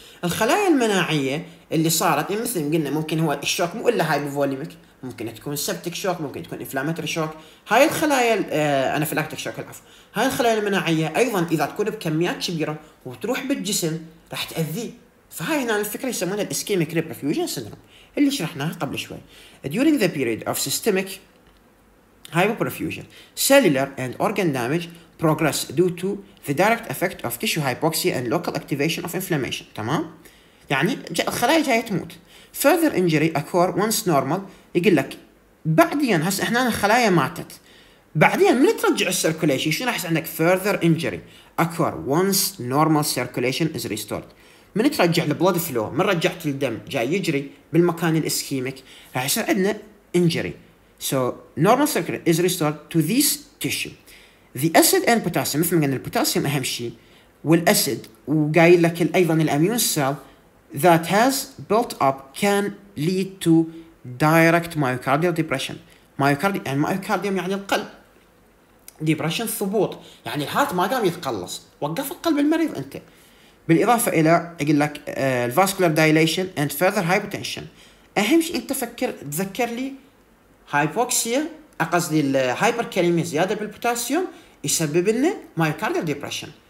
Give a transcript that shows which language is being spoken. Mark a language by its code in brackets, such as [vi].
[ar] الخلايا المناعيه اللي صارت مثل ما قلنا ممكن هو الشوك مو الا هاي بفوليميك، ممكن تكون سبتك شوك، ممكن تكون انفلاماتوري شوك، هاي الخلايا انافلاكتيك شوك العفو، هاي الخلايا المناعيه ايضا اذا تكون بكميات كبيره وتروح بالجسم راح تاذي. فهاي هنا الفكره يسمونها الاسكيميك ريبرفيوجن سيندروم اللي شرحناها قبل شوي. [en] During the period of systemic hypoperfusion, cellular and organ damage progress due to the direct effect of tissue hypoxia and local activation of inflammation. [ar] تمام؟ يعني الخلايا جاية تموت. [en] Further injury occur once normal. [ar] يقول لك بعدين هسه احنا الخلايا ماتت. بعدين من ترجع السيركوليشن شنو راح يصير عندك؟ [en] Further injury occur once normal circulation is restored. [ar] من ترجع البلود فلو، من رجعت الدم جاي يجري بالمكان الاسكيميك، راح يصير عندنا injury. [en] So normal circulation is restored to this tissue. The acid and potassium، [ar] مثل ما قلنا البوتاسيوم أهم شيء، والأسيد وقايل لك أيضا الأميون سيل [en] that has built up can lead to direct myocardial depression. [ar] Myocardium يعني القلب. Depression ثبوط، يعني الهارت ما قام يتقلص، وقف القلب المريض أنت. بالإضافة إلى يقول لك [en] vascular dilation and further hypotension. [ar] أهم شيء أنت فكر تذكر لي هايبوكسيا، أقصدي الهايبركاليميا زيادة بالبوتاسيوم يسبب لنا [en] myocardial depression.